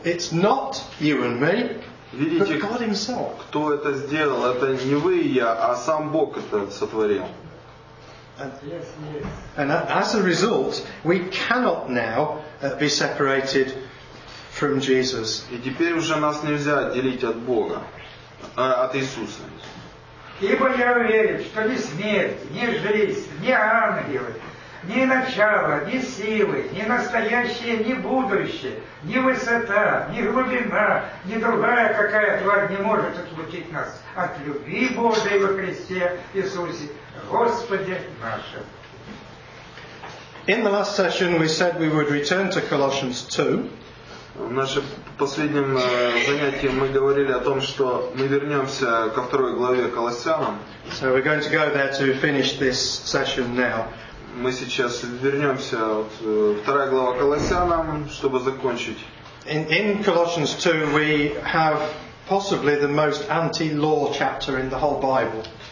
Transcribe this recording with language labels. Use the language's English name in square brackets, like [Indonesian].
[English] It's not you and me, but God Himself. [Russian] Кто это сделал? Это не вы и я, а сам Бог это сотворил. [English] And as a result, we cannot now be separated from Jesus. [Russian] И теперь уже нас нельзя отделить от Бога, от Иисуса. Ибо я уверен, что ни смерть, ни жизнь, ни ангелы, ни начало, ни силы, ни настоящее, ни будущее, ни высота, ни глубина, ни другая какая тварь не может отлучить нас от любви Божией во Христе Иисусе, Господе нашем. [English] In the last session we said we would return to Colossians 2. [Russian] В нашем последнем занятии мы говорили о том, что мы вернемся ко второй главе Колоссянам. [English] So we're going to go there to finish this session now. [Russian] Мы сейчас вернемся вот, вторая глава Колоссянам, чтобы закончить. [English] In Colossians 2 we have possibly the most anti-law chapter in the whole Bible.